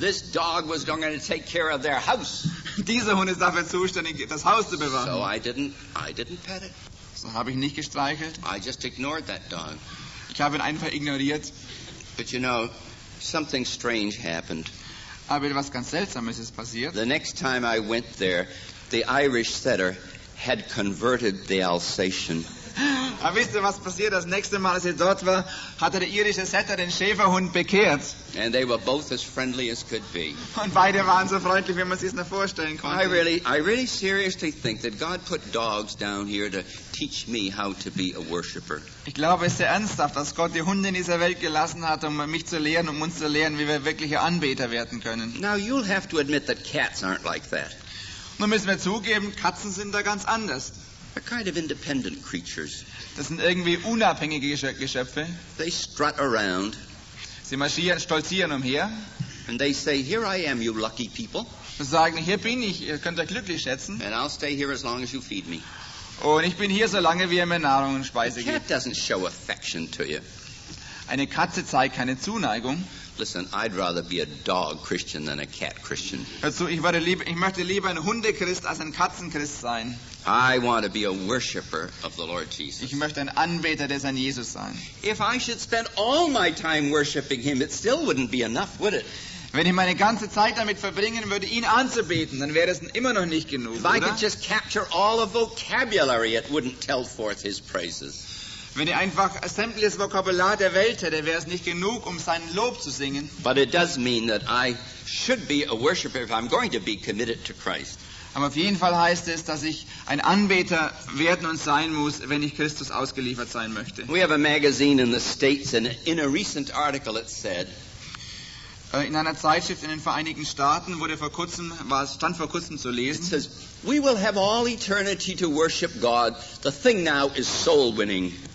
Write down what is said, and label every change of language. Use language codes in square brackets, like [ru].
[en] This dog was going to take care of their house. [de] Dieser Hund ist dafür zuständig, das Haus zu bewahren. [en] So I didn't pet it. [de] So habe ich nicht gestreichelt. [en] I just ignored that dog. [de] Ich habe ihn einfach ignoriert. [en] But you know, something strange happened. [de] Aber etwas ganz Seltsames ist passiert. [en] The next time I went there, the Irish setter had converted the Alsatian. [de] Aber wisst ihr, was passiert? Das nächste Mal, als ich dort war, hatte der irische Setter den Schäferhund bekehrt. [en] And they were both as friendly as could be. [de] Und beide waren so freundlich, wie man sich es nur vorstellen konnte. [en] I really seriously think that God put dogs down here to teach me how to be a worshipper. [de] Ich glaube es sehr ernsthaft, dass Gott die Hunde in dieser Welt gelassen hat, um mich zu lehren, um uns zu lehren, wie wir wirkliche Anbeter werden können. [en] Now you'll have to admit that cats aren't like that. [de] Nun müssen wir zugeben, Katzen sind da ganz anders. [en] They're kind of independent creatures. [de] Das sind irgendwie unabhängige Geschöpfe. [en] They strut around. [de] Sie marschieren, stolzieren umher. [en] And they say, "Here I am, you lucky people." [de] Sie sagen, hier bin ich, ihr könnt euch glücklich schätzen. [en] And I'll stay here as long as you feed me. [de] Und ich bin hier so lange, wie ihr mir Nahrung und Speise gebt. [en] The cat doesn't show affection to you. [de] Eine Katze zeigt keine Zuneigung. [en] Listen, I'd rather be a dog Christian than a cat Christian. [de] Also, ich möchte lieber ein Hundechrist als ein Katzenchrist sein. [en] I want to be a worshipper of the Lord Jesus. [de] Ich möchte ein Anbeter des Herrn Jesus sein. [en] If I should spend all my time worshiping him, it still wouldn't be enough, would it? [de] Wenn ich meine ganze Zeit damit verbringen würde, ihn anzubeten, dann wäre es immer noch nicht genug, oder? [en] If I could just capture all of vocabulary, it wouldn't tell forth his praises. [de] Wenn ich einfach sämtliches Vokabular der Welt hätte, wäre es nicht genug, um sein Lob zu singen. [en] But it does mean that I should be a worshipper if I'm going to be committed to Christ. [de] Aber auf jeden Fall heißt es, dass ich ein Anbeter werden und sein muss, wenn ich Christus ausgeliefert sein möchte. [en] We have a magazine in the States, and in a recent article it said, [de] in einer Zeitschrift in den Vereinigten Staaten wurde vor kurzem, stand vor kurzem zu lesen. [en] It says, we will have all eternity to worship God. The thing now is soul winning.